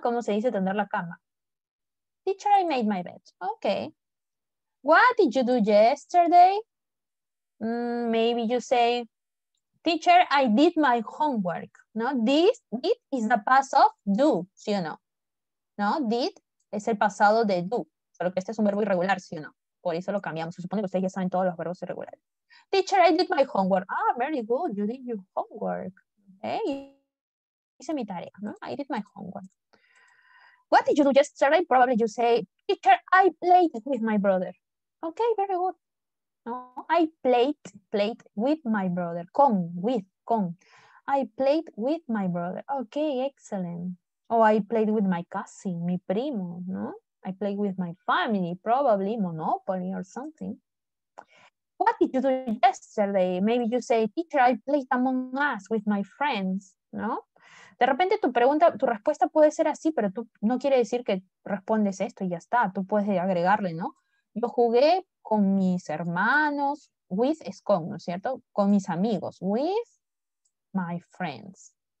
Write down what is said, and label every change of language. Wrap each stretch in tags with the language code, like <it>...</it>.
<es>¿Cómo se dice tender la cama?</es> <en>Teacher, I made my bed. Okay. What did you do yesterday? Maybe you say, teacher, I did my homework. No, did is the past of do,</en> <es>¿sí o no? No, did es el pasado de do, solo que este es un verbo irregular, ¿sí o no? Por eso lo cambiamos. Se supone que ustedes ya saben todos los verbos irregulares.</es> <en>Teacher, I did my homework. Ah, very good. You did your homework. Okay.</en> <es>Hice mi tarea, ¿no?</es> <en>I did my homework. What did you do yesterday? Probably you say, teacher, I played with my brother. Okay, very good. No, I played with my brother. Con. I played with my brother. Okay, excellent. Oh, I played with my cousin,</en> <es>mi primo, ¿no?</es> <en>I played with my family, probably Monopoly or something. what did you do yesterday? Maybe you say, teacher, I played Among Us with my friends,</en> <es>¿no? De repente tu pregunta, tu respuesta puede ser así, pero tú no quiere decir que respondes esto y ya está. Tú puedes agregarle, ¿no? Yo jugué con mis hermanos, with es con, ¿no es cierto? Con mis amigos,</es> <en>with my friends.</en>